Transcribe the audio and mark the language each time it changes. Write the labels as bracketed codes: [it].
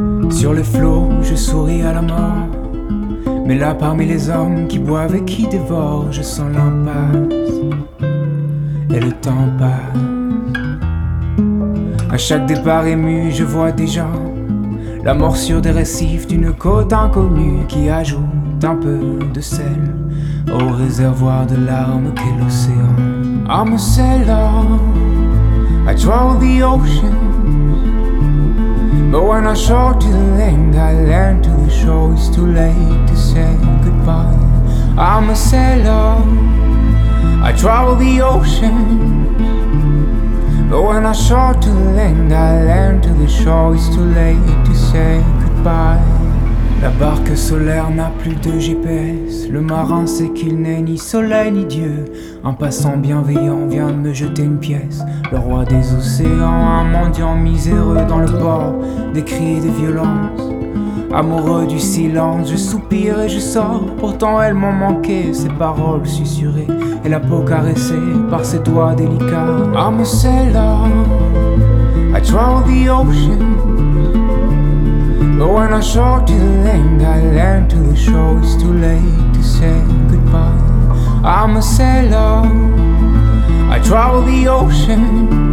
[fr] Sur les flots, je souris à la mort. Mais là, parmi les hommes qui boivent et qui dévorent, je sens l'impasse et le temps passe. À chaque départ ému, je vois des gens, la morsure des récifs d'une côte inconnue qui ajoute un peu de sel au réservoir de larmes qu'est l'océan. [en] I'm a sailor, I travel the ocean. But when I show to the land, I land to the shore, it's too late to say goodbye. I'm a sailor, I travel the ocean. But when I show to the land, I land to the shore, it's too late to say goodbye. [fr] La barque solaire n'a plus de GPS. Le marin sait qu'il n'est ni soleil ni dieu. Un passant bienveillant vient de me jeter une pièce. Le roi des océans, un mendiant miséreux dans le port. Des cris et des violences, amoureux du silence. Je soupire et je sors, pourtant elles m'ont manqué. Ces paroles susurrées et la peau caressée par ses doigts délicats. [en] I'm a sailor, I travel the ocean. But when I show to the land, I land to the shore, it's too late to say goodbye. I'm a sailor, I travel the ocean.